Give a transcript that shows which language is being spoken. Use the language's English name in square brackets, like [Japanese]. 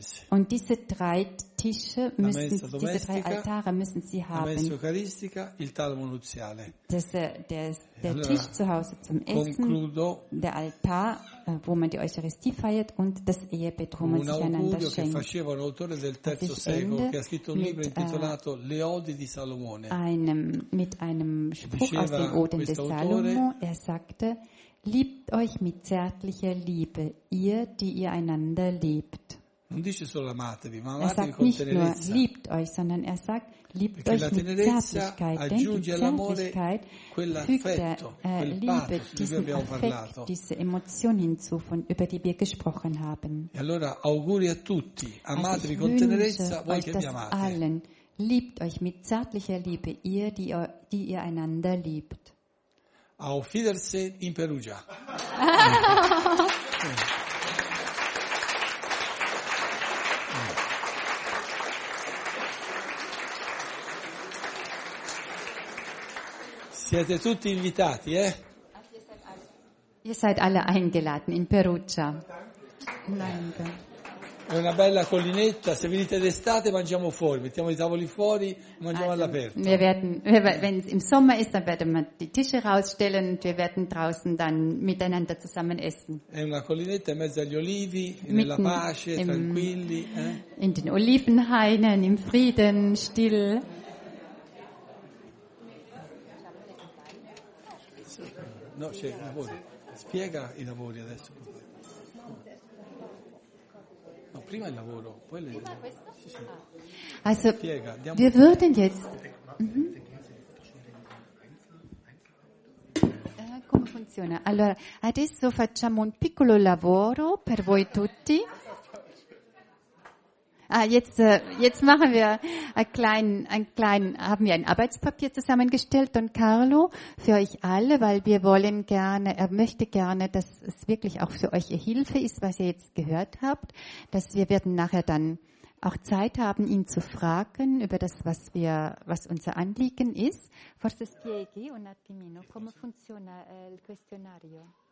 [German] Und diese drei Tische müssen, diese drei Altare müssen sie haben. [Italian] La messa eucaristica, il talmo nuziale. [German] Der Tisch zu Hause zum Essen, der Altar, wo man die Eucharistie feiert, und das Ehebett, wo man sich einander schenkt. [Italian] Che faceva un autore del terzo secolo, che ha scritto un libro intitolato Le Odi di Salomone. [German] Mit einem Spruch aus den Oden des Salomo, er sagte: Liebt euch mit zärtlicher Liebe, ihr, die ihr einander liebt. [Italian] Non dice solo amatevi, ma amate con tenerezza. [German] Liebt euch, sondern er sagt, liebt euch mit Zärtlichkeit. Denn die Zärtlichkeit fügt der Liebe diesen Affekt, diese Emotion hinzu, über die wir gesprochen haben. [Italian] E allora auguri a tutti, amatevi con tenerezza, voi che vi amate. [German] Allen. Liebt euch mit zärtlicher Liebe, ihr, die ihr einander liebt. Auf Wiedersehen in Perugia. [Italian] Siete tutti invitati, [German] Ihr seid alle eingeladen in Perugia. Danke. [Italian] È una bella collinetta, se venite d'estate mangiamo fuori, mettiamo i tavoli fuori, mangiamo all'aperto. [German] Wenn es im Sommer ist, dann werden wir die Tische rausstellen und wir werden draußen dann miteinander zusammen essen. [Italian] È una collinetta in mezzo agli olivi, nella pace, tranquilli. [German] In den Olivenhainen, im Frieden, still. [Italian] No, c'è i lavori. Spiega i lavori adesso. Prima il lavoro, poi le... [German] Also, wir würden jetzt... [Italian] funziona. Allora, adesso facciamo un piccolo lavoro per voi tutti. [German] Ah, jetzt machen wir haben wir ein Arbeitspapier zusammengestellt, Don Carlo, für euch alle, weil wir wollen gerne, er möchte gerne, dass es wirklich auch für euch Hilfe ist, was ihr jetzt gehört habt, dass wir werden nachher dann auch Zeit haben, ihn zu fragen über das, was unser Anliegen ist. [Italian] Forse spieghi un attimino come funziona il questionario.